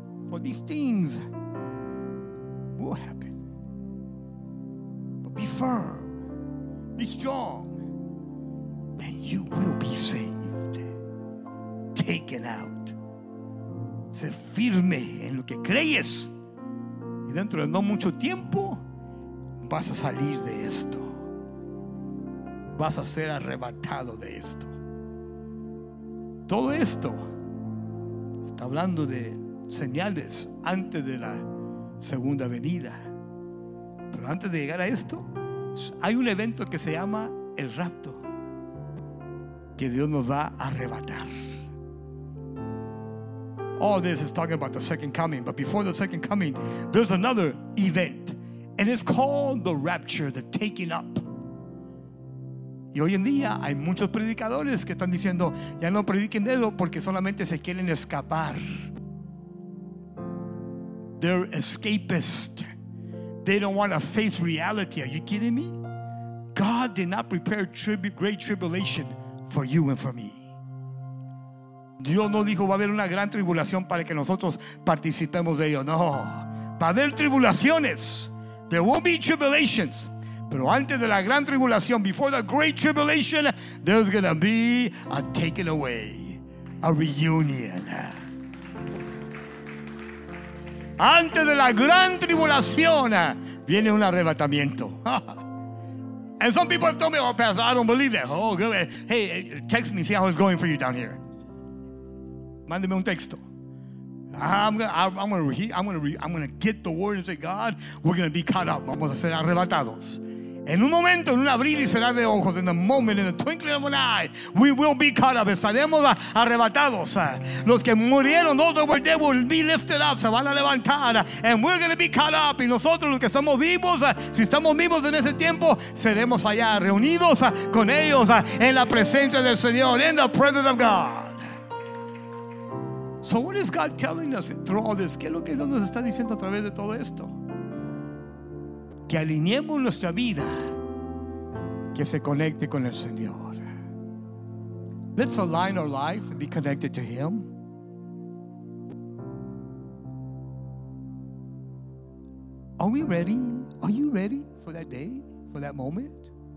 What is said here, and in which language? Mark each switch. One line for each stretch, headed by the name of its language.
English: For these things will happen. But be firm, be strong, and you will be saved, taken out.
Spanish: Sé firme en lo que crees, y dentro de no mucho tiempo vas a salir de esto, vas a ser arrebatado de esto. Todo esto está hablando de señales antes de la segunda venida. Pero antes de llegar a esto, hay un evento que se llama el rapto, que Dios nos va a arrebatar.
English: All this is talking about the second coming, but before the second coming, there's another event. And it's called the rapture, the taking up.
Spanish: Y hoy en día hay muchos predicadores que están diciendo, ya no prediquen eso porque solamente se quieren escapar.
English: They're escapist. They don't want to face reality. Are you kidding me? God did not prepare great tribulation for you and for me.
Spanish: Dios no dijo va a haber una gran tribulación para que nosotros participemos de ello. No, va a haber tribulaciones.
English: There will be tribulations,
Spanish: pero antes de la gran tribulación,
English: before the great tribulation, there's going to be a taking away, a reunion.
Spanish: Antes de la gran tribulación, viene un arrebatamiento.
English: And some people have told me, oh, Pastor, I don't believe that. Oh, good. Hey, text me, see how it's going for you down here.
Spanish: Mándeme un texto.
English: I'm gonna get the word and say, God, we're gonna be caught up.
Spanish: Vamos a ser arrebatados. En un momento, en un abrir y cerrar de ojos,
English: in a moment, in a twinkling of an eye, we will be caught up.
Spanish: Estaremos arrebatados. Los que murieron,
English: those that were dead, will be lifted up.
Spanish: Se van a levantar.
English: And we're gonna be caught up.
Spanish: Y nosotros, los que estamos vivos, si estamos vivos en ese tiempo, seremos allá reunidos con ellos en la presencia del Señor,
English: in the presence of God. So what is God telling us through all this?
Spanish: ¿Qué es lo que Dios nos está diciendo a través de todo esto? Que alineemos nuestra vida, que se conecte con el Señor.
English: Let's align our life and be connected to Him. Are we ready? Are you ready for that day, for that moment?